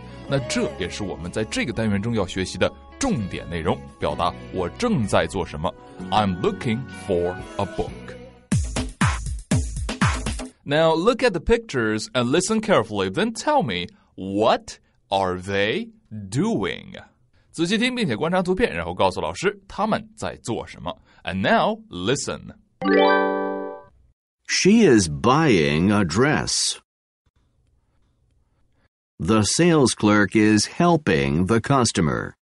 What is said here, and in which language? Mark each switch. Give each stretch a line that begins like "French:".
Chinese: 那这也是我们在这个单元中要学习的重点内容，表达我正在做什么。
English: I'm looking for a book. Now look at the pictures and listen carefully, then tell me, what are they doing?
Chinese: 仔细听并且观察图片，然后告诉老师他们在做什么。
English: And now listen. She is buying a dress. The sales clerk is helping the customer.